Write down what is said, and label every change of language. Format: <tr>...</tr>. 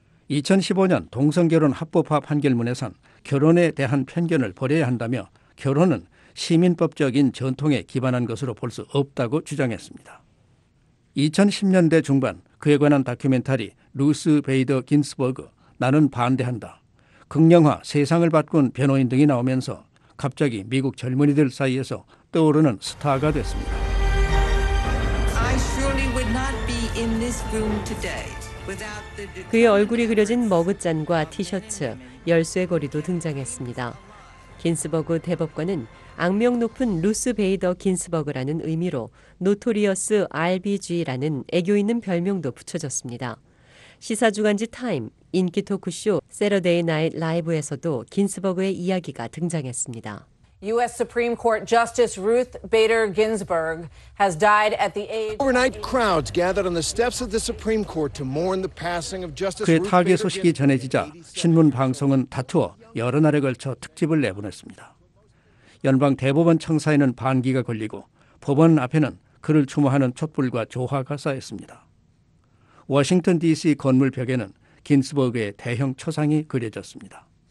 <ko>2015년 동성결혼 합법화 판결문에선 결혼에 대한 편견을 버려야 한다며 결혼은 시민법적인 전통에 기반한 것으로 볼 수 없다고 주장했습니다. 2010년대 중반 그에 관한 다큐멘터리 루스 베이더 긴스버그 나는 반대한다. 극영화 세상을 바꾼 변호인 등이 나오면서 갑자기 미국 젊은이들 사이에서 떠오르는 스타가 됐습니다.</ko> <en>I surely would not be in this room today without the</en> <ko>그의 얼굴이 그려진 머그잔과 티셔츠, 열쇠고리도 등장했습니다. 긴스버그 대법관은 악명 높은 루스 베이더 긴스버그라는 의미로 노토리어스 RBG라는 애교 있는 별명도 붙여졌습니다. 시사주간지 타임, 인기 토크쇼 세러데이 나잇 라이브에서도 긴스버그의 이야기가 등장했습니다.</ko> <en>U.S. Supreme Court Justice Ruth Bader Ginsburg has died at the age. Overnight crowds gathered on the steps of the Supreme Court to mourn the passing of Justice.</en> <ko>그의 타계 소식이 전해지자 신문 방송은 다투어 여러 날에 걸쳐 특집을 내보냈습니다. 연방 대법원 청사에는 반기가 걸리고 법원 앞에는 그를 추모하는 촛불과 조화가 쌓였습니다. 워싱턴 D.C. 건물 벽에는 긴스버그의 대형 초상이 그려졌습니다.</ko>